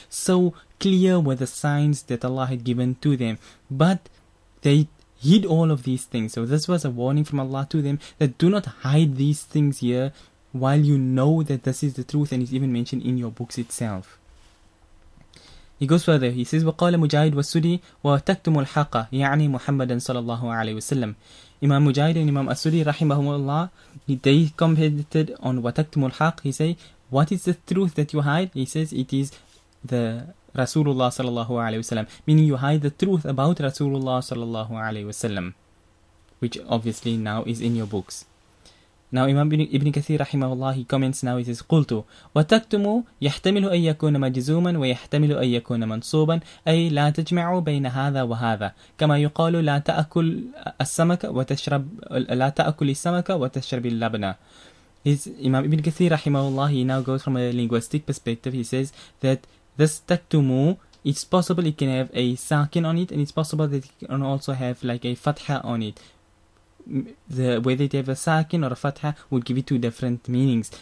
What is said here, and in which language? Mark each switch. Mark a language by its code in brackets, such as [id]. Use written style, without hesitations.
[en] So clear were the signs that Allah had given to them. But they hid all of these things. So this was a warning from Allah to them, that do not hide these things here while you know that this is the truth and is even mentioned in your books itself. He goes further. He says, [ar] وَقَالَ مُجَاهِدْ وَالسُّدِي وَتَكْتُمُ الْحَقَ يَعْنِي مُحَمَّدًا صَلَى اللَّهُ عَلَيْهِ وَسَلَّمْ. [en] Imam Mujahid and Imam As-Sudi rahimahumullah, they commented on [ar] وَتَكْتُمُ الْحَقَ. [en] He say, what is the truth that you hide? He says, it is the Rasulullah sallallahu alayhi wasallam, meaning you hide the truth about Rasulullah sallallahu alayhi wasallam, which obviously now is in your books. Now Imam Ibn Kathir rahimahullah, he comments now, he says, [ar] قُلْتُ وَتَكْتُمُ يَحْتَمِلُ أَن يَكُونَ مَجْزُومًا وَيَحْتَمِلُ أَن يَكُونَ مَنْصُوبًا أي لَا تَجْمَعُوا بَيْنَ هَذَا وَهَذَا كَمَا يُقَالُ لَا تَأَكُلْ السَّمَكَ وَتَشْرَبْ لَا تَأَكُلِ السَّمَكَ وَتَشْرَبْ اللَّبْنَ. [en] His Imam Ibn Kathir rahimahullah, he now goes from a linguistic perspective. He says that this taktumu, it's possible it can have a sakin on it, and it's possible that it can also have like a fatha on it. Whether it have a sakin or a fatha would give it two different meanings.